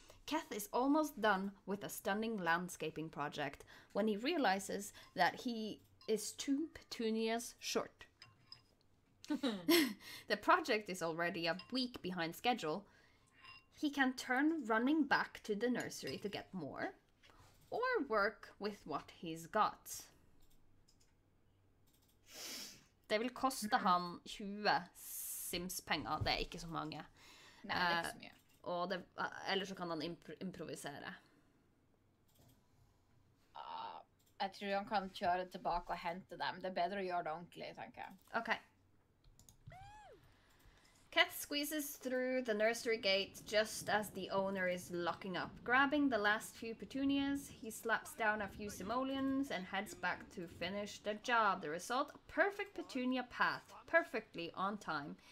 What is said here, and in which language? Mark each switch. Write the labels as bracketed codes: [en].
[en] Kath is almost done with a stunning landscaping project when he realizes that he is two petunias short. The project is already a week behind schedule. He can turn running back to the nursery to get more, or work with what he's got. [no] Det vil koste han 20 Sims-penger, det er ikke så mange. Nei, det er ikke så mye. Eller så kan han improvisere. Jeg tror han kan kjøre tilbake og hente dem. Det er bedre å gjøre det ordentlig, tenker jeg. Ok. [en] Cat squeezes through the nursery gate just as the owner is locking up. Grabbing the last few petunias, he slaps down a few simoleons and heads back to finish the job. The result? A perfect petunia path, perfectly on time.